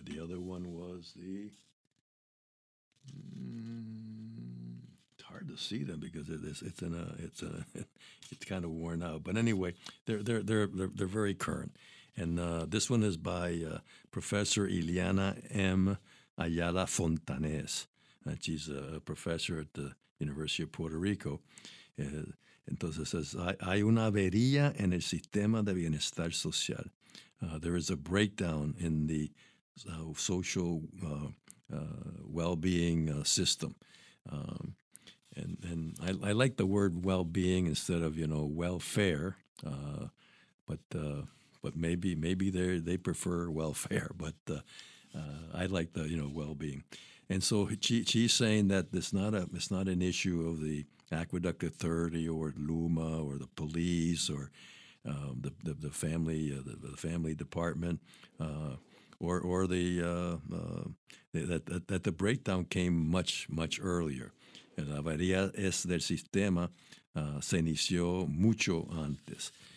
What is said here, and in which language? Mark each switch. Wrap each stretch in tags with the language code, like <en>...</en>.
<en>The other one was the it's hard to see them because it's kind of worn out. But anyway, they're very current. And this one is by Professor Ileana M. Ayala Fontanes. She's a professor at the University of Puerto Rico.</en> <es>Entonces, says, hay una avería en el sistema de bienestar social.</es> <en>There is a breakdown in the social well-being system. And I like the word well-being instead of, welfare. But maybe they prefer welfare. But I like the, well-being. And so she's saying that it's not an issue of the Aqueduct Authority or LUMA or the police or the family department that the breakdown came much earlier.</en> <es>La avería es del sistema se inició mucho antes.</es>